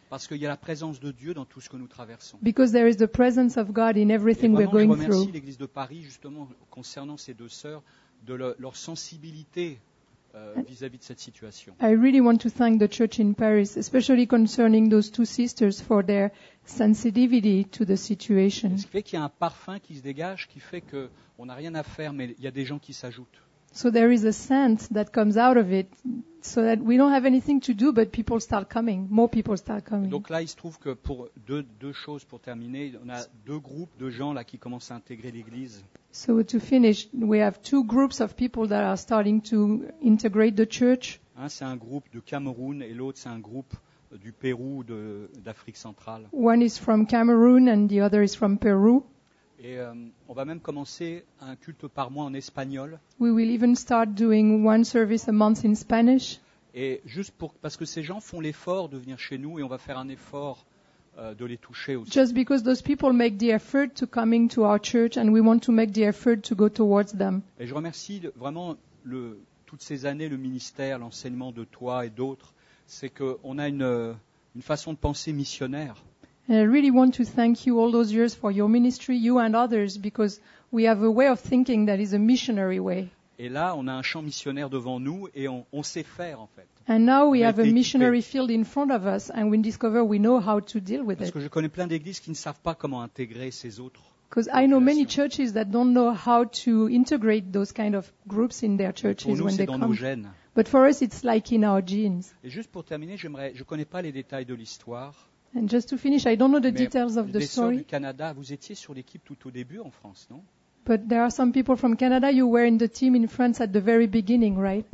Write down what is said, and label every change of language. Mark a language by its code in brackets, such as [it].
[fr] Parce qu'il y a la présence de Dieu dans tout ce que nous traversons. [en] Because there is the presence of God in everything [fr] vraiment, [en] we're going through. [fr] Je remercie l'église de Paris justement concernant ces deux sœurs. De leur sensibilité vis-à-vis de cette situation. [en] I really want to thank the church in Paris, especially concerning those two sisters, for their sensitivity to the situation. [fr] Ce qui fait qu'il y a un parfum qui se dégage, qui fait que on n'a rien à faire, mais il y a des gens qui s'ajoutent. [en] So there is a scent that comes out of it, so that we don't have anything to do, but people start coming, more people start coming. [fr] Donc là, il se trouve que pour deux choses pour terminer, on a deux groupes de gens là qui commencent à intégrer l'église. [en] So to finish, we have two groups of people that are starting to integrate the church. [fr] Un, c'est un groupe du Cameroun et l'autre c'est un groupe du Pérou ou d'Afrique centrale. [en] One is from Cameroon and the other is from Peru. [fr] Et on va même commencer un culte par mois en espagnol. [en] We will even start doing one service a month in Spanish. [fr] Et juste pour, parce que ces gens font l'effort de venir chez nous et on va faire un effort de les toucher aussi. [en] Just because those people make the effort to coming to our church and we want to make the effort to go towards them. [fr] Et je remercie vraiment toutes ces années le ministère, l'enseignement de toi et d'autres, c'est que on a une façon de penser missionnaire. [en] And I really want to thank you all those years for your ministry, you and others, because we have a way of thinking that is a missionary way. [fr] Et là, on a un champ missionnaire devant nous et on sait faire en fait. [en] And now we have a missionary field in front of us and we discover we know how to deal with it. [fr] Parce que je connais plein d'églises qui ne savent pas comment intégrer ces autres. [en] Because I know many churches that don't know how to integrate those kind of groups in their churches when they come. [fr] Pour nous, c'est dans nos gènes. [en] But for us, it's like in our genes. [fr] Et juste pour terminer, je ne connais pas les détails de l'histoire. [en] And just to finish, I don't know the details of the story. [fr] Mais les sœurs du Canada, vous étiez sur l'équipe tout au début en France, non? [en] But there are some people from Canada, you were in the team in France at the very beginning, right?